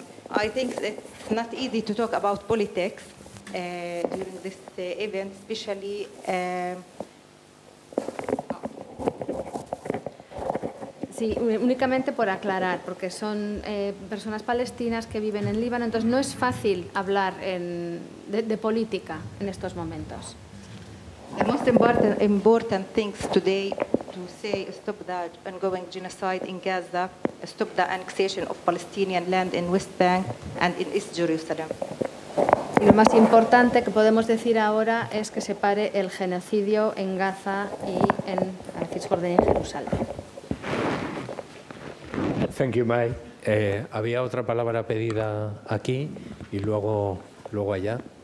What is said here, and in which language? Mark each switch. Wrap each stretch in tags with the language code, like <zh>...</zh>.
<en>I think it's not easy to talk about politics during this event, especially</en> <es>Sí, únicamente por aclarar, porque son personas palestinas que viven en Líbano, entonces no es fácil hablar de política en estos momentos.</es> <en>The most important things today to say stop the ongoing genocide in Gaza, stop the annexation of Palestinian land in West Bank and in East Jerusalem.</en> <es>Y lo más importante que podemos decir ahora es que se pare el genocidio en Gaza y en la Cisjordania y Jerusalén.</es> <en>Thank you, May.</en> <es>Había otra palabra pedida aquí y luego allá.</es>